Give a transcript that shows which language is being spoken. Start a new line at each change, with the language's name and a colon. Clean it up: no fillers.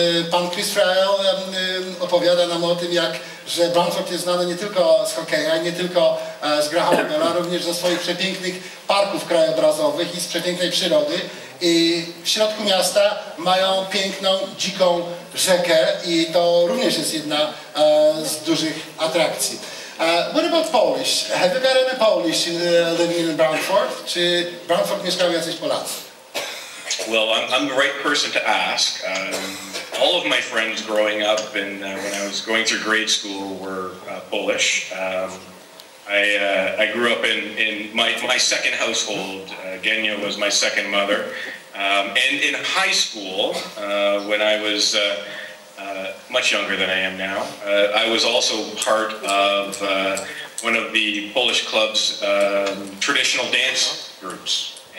Polish: Pan Chris Friel opowiada nam o tym, jak że Brantford jest znany nie tylko z hokeja, nie tylko z Grahama Bella, również ze swoich przepięknych parków krajobrazowych i z przepięknej przyrody. I w środku miasta mają piękną, dziką rzekę i to również jest jedna z dużych atrakcji.
English: What about Polish? Have you got any Polish living in Brantford?
Polish: Czy Brantford mieszkają jacyś Polacy?
English: Well, I'm the right person to ask. All of my friends growing up and when I was going through grade school were Polish. I grew up in my second household. Genia was my second mother. And in high school, when I was much younger than I am now, I was also part of one of the Polish club's traditional dance groups.